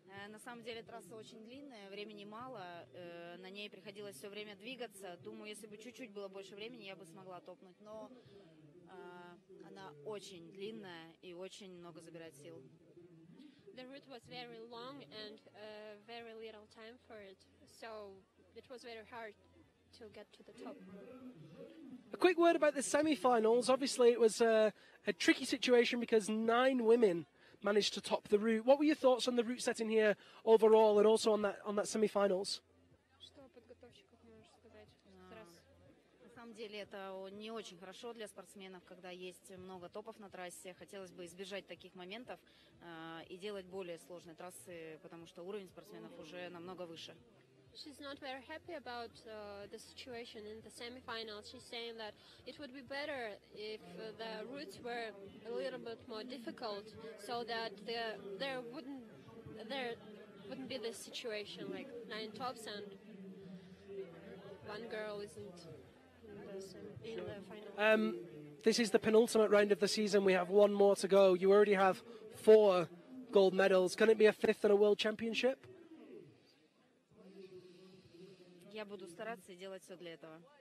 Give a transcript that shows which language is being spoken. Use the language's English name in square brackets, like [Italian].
[Russian] На самом деле трасса очень длинная, времени мало, на ней приходилось все время двигаться. Думаю, если бы чуть-чуть было больше времени, я бы смогла топнуть, но она очень длинная и очень много забирает сил. [English] The route was very long and very little time for it, so it was very hard to get to the top. A quick word about the semifinals. Obviously, it was a tricky situation because 9 women managed to top the route. What were your thoughts on the route setting here overall and also on that semifinals? [Russian] На самом деле это не очень хорошо для спортсменов, когда есть много топов на трассе. Хотелось бы избежать таких моментов и делать более сложные трассы, потому что уровень спортсменов уже намного выше. [English] She's not very happy about the situation in the semifinals. She's saying that it would be better if the routes were a little bit more difficult, so that there wouldn't be this situation like 9 tops and one girl isn't in the final. This is the penultimate round of the season. We have one more to go. You already have 4 gold medals. Can it be a 5th and a world championship? [Russian] Я буду стараться и делать все для этого.